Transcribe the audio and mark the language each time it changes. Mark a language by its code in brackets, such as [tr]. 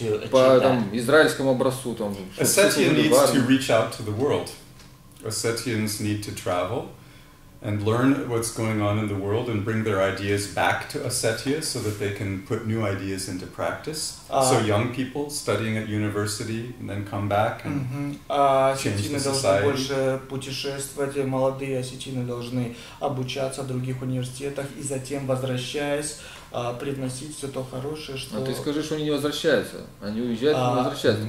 [ru] по там, израильскому образцу там. [en] Ossetia needs to reach out to the world. Ossetians need to travel and learn what's going on in the world and bring their ideas back to Ossetia so that they can put new ideas into practice. So young people studying at university and then come back and change the society. [ru] Ossетины должны больше путешествовать, молодые ассетины должны обучаться в других университетах и затем, возвращаясь, привносить все то хорошее, что... А ты скажи, что они не возвращаются. Они уезжают, но не возвращаются.